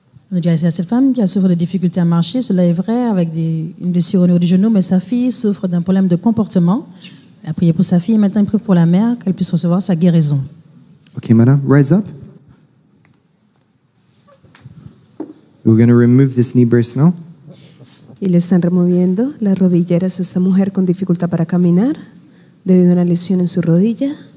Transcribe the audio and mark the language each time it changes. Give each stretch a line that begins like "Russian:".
French: Nous disons à cette femme qui a souffert de difficultés à marcher, cela est vrai, avec une blessure au niveau du genou, mais sa fille souffre d'un problème de comportement. Elle a prié pour sa fille et maintenant elle prie pour la mère qu'elle puisse recevoir sa guérison.
English: Okay, madam, rise up. We're going to remove this knee brace now.
Spanish: Y le están removiendo las rodilleras a esta mujer con dificultad para caminar debido a una lesión en su rodilla.